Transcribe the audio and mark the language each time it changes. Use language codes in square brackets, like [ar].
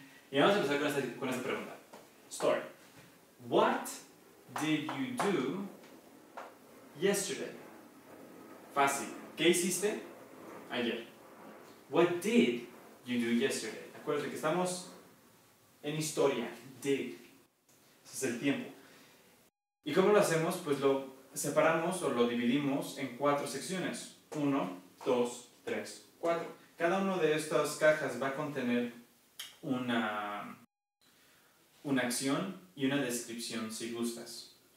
[es] Y vamos a empezar con esta pregunta. [en] Story. What did you do yesterday? Fácil. [es] ¿Qué hiciste ayer? [en] What did you do yesterday? [es] Acuérdate que estamos en historia. Did. Ese es el tiempo. ¿Y cómo lo hacemos? Pues lo separamos o lo dividimos en cuatro secciones. 1, 2, 3, 4. Cada una de estas cajas va a contener una acción y una descripción, si gustas.